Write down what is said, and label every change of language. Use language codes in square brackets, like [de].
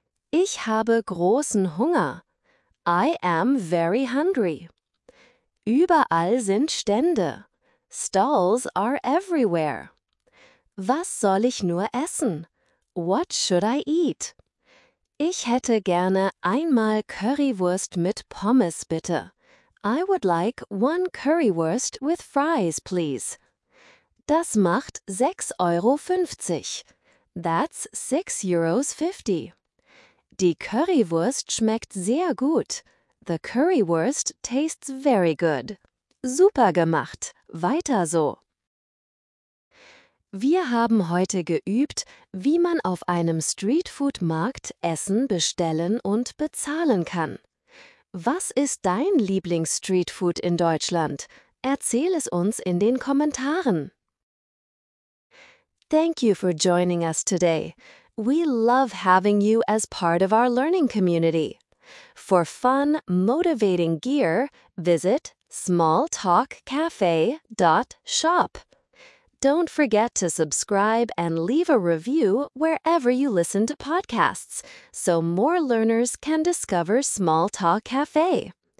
[de] Ich habe großen Hunger. [en] I am very hungry. [de] Überall sind Stände. [en] Stalls are everywhere. [de] Was soll ich nur essen? [en] What should I eat? [de] Ich hätte gerne einmal Currywurst mit Pommes, bitte. [en] I would like one Currywurst with fries, please. Das macht 6,50 Euro. That's 6,50 €. [de] Die Currywurst schmeckt sehr gut. [en] The Currywurst tastes very good. [de] Super gemacht. Weiter so. Wir haben heute geübt, wie man auf einem Streetfood-Markt Essen bestellen und bezahlen kann. Was ist dein Lieblings-Streetfood in Deutschland? Erzähl es uns in den Kommentaren. [en] Thank you for joining us today. We love having you as part of our learning community. For fun, motivating gear, visit smalltalkcafe.shop. Don't forget to subscribe and leave a review wherever you listen to podcasts so more learners can discover Small Talk Cafe.